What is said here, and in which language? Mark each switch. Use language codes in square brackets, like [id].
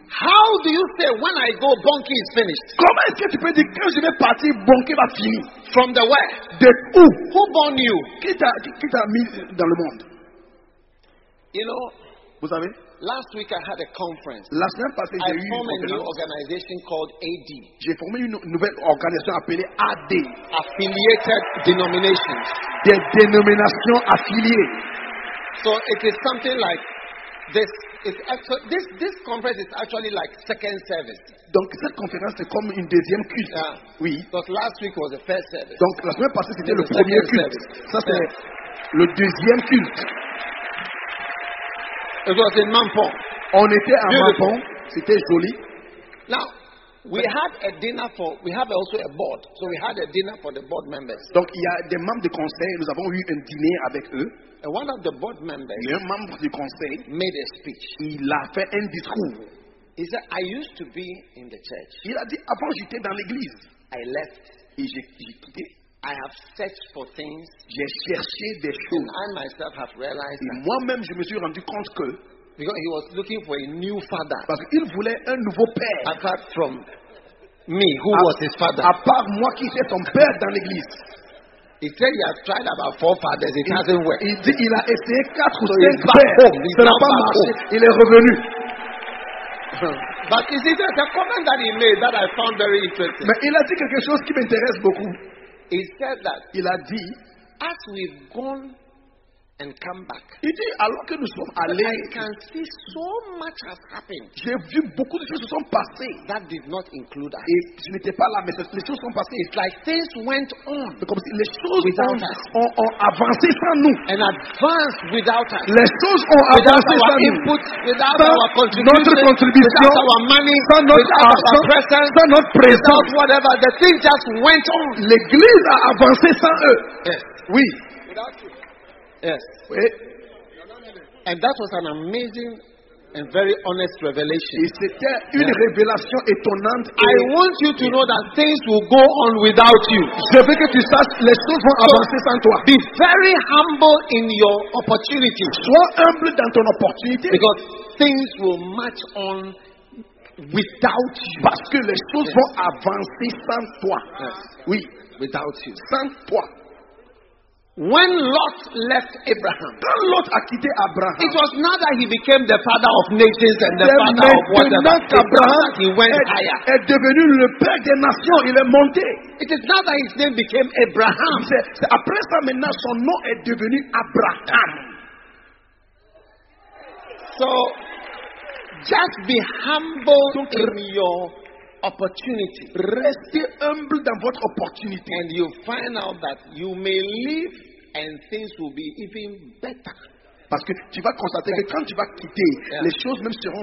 [en] How do you say when I go, Bonke is finished? [fr] Comment est-ce que tu peux dire quand je vais partir, Bonke va finir? [en] From the where? [fr] De où? [en] Who born you? [fr] Qui t'a mis dans le monde? [en] You know, [fr] vous savez? [en] Last week I had a conference. [fr] La semaine passée j'ai eu une conférence. [en] I formed a new organization called AD. [fr] J'ai formé une nouvelle organisation appelée AD. [en] Affiliated denominations. [fr] Des dénominations affiliées. [en] So it is something like this. It's actually, this conference is actually like second service. [fr] Donc cette conférence est comme une deuxième culte. [en] Yeah. [fr] Oui. [en] Because last week was the first service. [fr] Donc la semaine passée c'était le premier culte. [en] Service. [fr] Ça c'est yeah. Le deuxième culte. [en] It was in Mampong. [fr] On était à Mampong. C'était joli. [en] Now we had a dinner for. We have also a board, so we had a dinner for the board members. [fr] Donc il y a des membres du conseil. Nous avons eu un dîner avec eux. [en] And one of the board members [fr] membre du conseil [en] made a speech. [fr] Il a fait un discours. [en] He said, I used to be in the church. [fr] Il a dit, avant j'étais dans l'église. [en] I left. [fr] Et j'ai quitté. [en] I have searched for things. [fr] J'ai cherché des choses. [en] And I myself have realized. [fr] Et moi-même je me suis rendu compte que. [en] Because he was looking for a new father. [fr] Parce qu'il voulait un nouveau père. [en] Apart from me, who was his father. [fr] À part moi qui étais son père dans l'église. [en] He said he has tried about four fathers. It hasn't worked. [fr] Il dit il a essayé quatre ou [en] so [fr] cinq pères. Ça n'a pas marché. Il est revenu. [en] But is it a comment that he made that I found very interesting? [fr] Mais il a dit quelque chose qui m'intéresse beaucoup. [en] He said that. [fr] Il a dit, [en] as we've gone and come back. [fr] Il dit alors que nous sommes allés. [en] I can see so much has happened. [fr] J'ai vu beaucoup de choses se sont passées. [en] That did not include us. [fr] Et je n'étais pas là, mais les choses sont passées. [en] It's like things went on. [fr] Comme si les choses ont avancé sans nous. [en] And advanced without us. [fr] Les choses ont avancé sans nous. [en] Input, [fr] sans notre contribution. [en] Without our money. [fr] Sans notre argent. [en] Our presence, [fr] sans notre présence. [en] Whatever. The things just went on. [fr] L'église a avancé sans eux. [en] Yes. [fr] Oui. [en] Without you. Yes. Wait. And that was an amazing and very honest revelation. [fr] Et c'était une yeah. révélation étonnante. [en] I want you to know that things will go on without you. [fr] Je veux que tu saches les choses vont avancer sans toi. [en] Be very humble in your opportunity. [fr] Sois humble dans ton opportunité. [en] Because things will march on without you. [fr] Parce que les choses yes. vont avancer sans toi. [en] Yes. [fr] Oui. [en] Without you. [fr] Sans toi. [en] When Lot left Abraham, [fr] quand Lot a quitté Abraham, [en] it was not that he became the father of nations and the father of whatever. Abraham he went [fr] est, [en] higher. [fr] Est devenu le père des nations. Il est monté. [en] It is not that his name became Abraham. [fr] C'est après ça maintenant son nom est devenu Abraham. [en] So, just be humble donc, in your opportunity. [fr] Restez humble dans votre opportunité. [en] And you find out that you may leave and things will be even better. [fr] Parce que tu vas constater que quand tu vas quitter, yeah. les choses même seront